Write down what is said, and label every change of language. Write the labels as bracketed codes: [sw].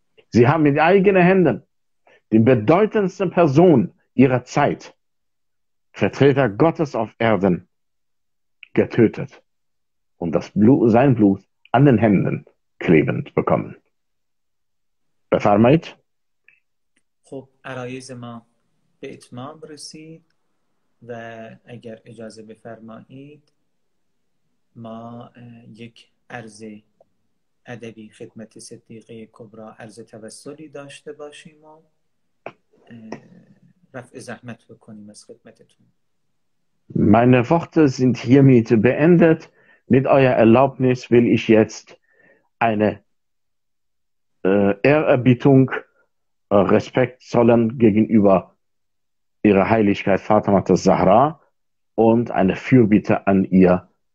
[de] Sie haben mit eigenen Händen den bedeutendsten Person ihrer Zeit, Vertreter Gottes auf Erden, getötet und das Blut, sein Blut an den Händen klebend bekommen. [fa] Befarmait? خب عرایز ما به اتمام رسید و اگر اجازه بفرمایید ما یک عرض ادبی خدمت صدیقه کبرا، عرض توسلی داشته باشیم و رفع زحمت بکنیم از خدمتتون. [de] Meine Worte sind hiermit beendet. Mit eurer Erlaubnis will ich jetzt eine Ehrerbietung Respekt zollen gegenüber ihrer Heiligkeit Fatima Zahra und eine Fürbitte an ihr